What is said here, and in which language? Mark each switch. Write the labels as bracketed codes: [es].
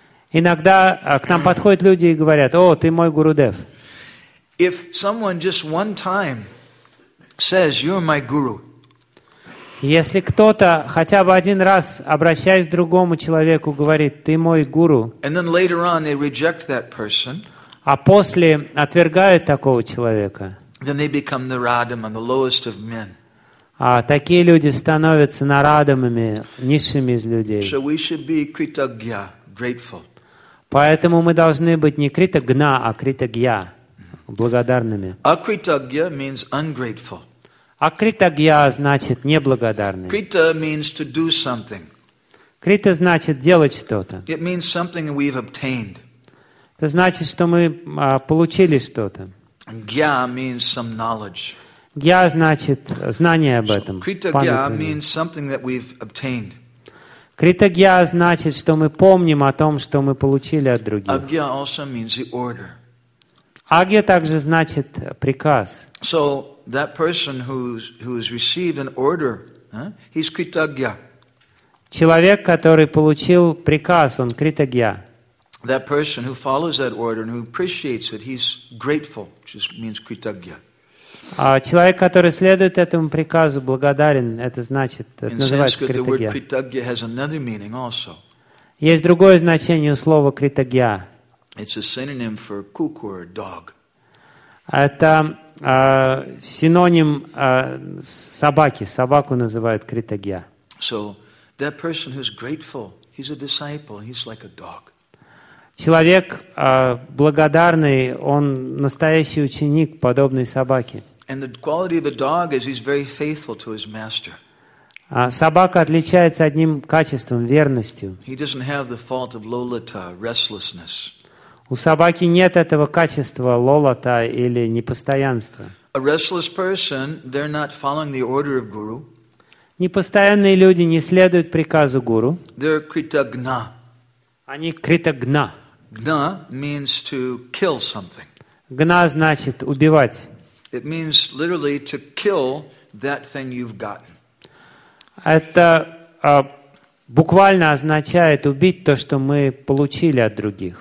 [ru] Иногда к нам подходят люди и говорят, о, ты мой Гурудев. [en] If someone just one time says, you're my guru, [ru] если кто-то хотя бы один раз, обращаясь к другому человеку, говорит, ты мой гуру, [en] and then later on they reject that person, [ru] а после отвергают такого человека, [en] then they become the Radham, the lowest of men. [ru] А такие люди становятся нарадамами, низшими из людей. [en] So we should be kritagya, grateful. [ru] Поэтому мы должны быть не критагна, а критагья, благодарными. [en] Акритагья means ungrateful. [ru] Акритагья значит неблагодарный. [en] Крита means to do something. [ru] Крита значит делать что-то. [en] It means something we've obtained. [ru] Это значит, что мы получили что-то. [en] Gya means some knowledge. [ru] Gya значит знание об этом. [en] Kritagya means something that we've obtained. [ru] Kritagya значит, что мы помним о том, что мы получили от других. [en] Agya also means the order. [ru] Agya также значит приказ. [en] So that person who's received an order, he's kritagya. [ru] Человек, который получил приказ, он kritagya. [en] That person who follows that order and who appreciates it, he's grateful, which just means kritagya. [ru] Человек, который следует этому приказу, благодарен, это значит, называется kritagya. [en] In Sanskrit, the word kritagya has another meaning also. [ru] Есть другое значение у слова kritagya. [en] It's a synonym for cuckoo or dog. [ru] Это синоним собаки. Собаку называют kritagya. [en] So that person who's grateful, he's a disciple, he's like a dog. [ru] Человек благодарный, он настоящий ученик, подобный собаке. [en] And the quality of a dog is he's very faithful to his master. [ru] Собака отличается одним качеством, верностью. [en] He doesn't have the fault of lolita, restlessness. [ru] У собаки нет этого качества лолота или непостоянства. [en] A restless person, they're not following the order of guru. [ru] Непостоянные люди не следуют приказу гуру. [en] They're kritagna. [ru] Они kritagna. [en] Gna means to kill something. [ru] Gna значит убивать. [en] It means literally to kill that thing you've gotten. [ru] Это буквально означает убить то, что мы получили от других.